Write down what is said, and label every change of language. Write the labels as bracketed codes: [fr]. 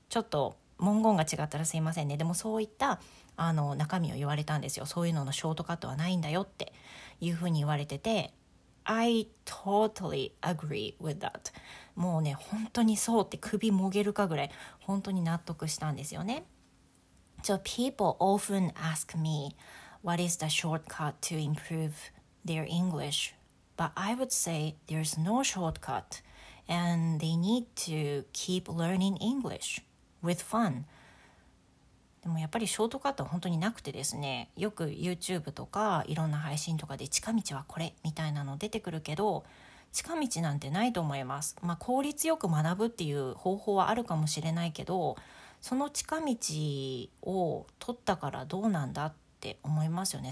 [ja] ちょっと文言が違ったらすいませんね。でもそういった中身を言われたんですよ。そういうののショートカットはないんだよっていうふうに言われてて、 [en] I totally agree with that。 [ja] もうね、本当にそうって首もげるかぐらい本当に納得したんですよね。 [en] So people often ask me what is the shortcut to improve their English, but I would say there's no shortcut and they need to keep learning English with fun。 [ja] でもやっぱりショートカットは本当になくてですね、よく YouTube とかいろんな配信とかで近道はこれみたいなの出てくるけど、近道なんてないと思います。まあ、効率よく学ぶっていう方法はあるかもしれないけど、その近道を取ったからどうなんだって思いますよね。